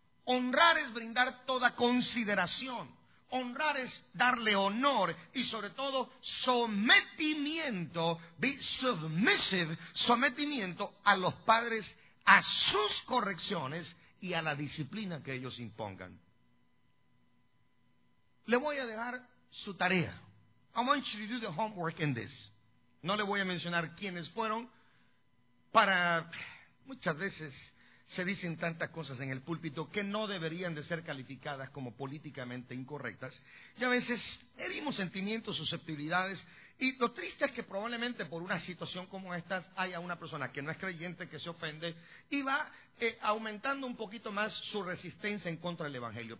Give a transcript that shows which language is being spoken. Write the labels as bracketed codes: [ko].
[es] Honrar es brindar toda consideración. Honrar es darle honor y sobre todo sometimiento, be submissive, sometimiento a los padres, a sus correcciones y a la disciplina que ellos impongan. Le voy a dejar su tarea. [en] I want you to do the homework in this. [es] No le voy a mencionar quiénes fueron. Para muchas veces se dicen tantas cosas en el púlpito que no deberían de ser calificadas como políticamente incorrectas. Y a veces herimos sentimientos, susceptibilidades. Y lo triste es que probablemente por una situación como esta haya una persona que no es creyente, que se ofende y va aumentando un poquito más su resistencia en contra del Evangelio.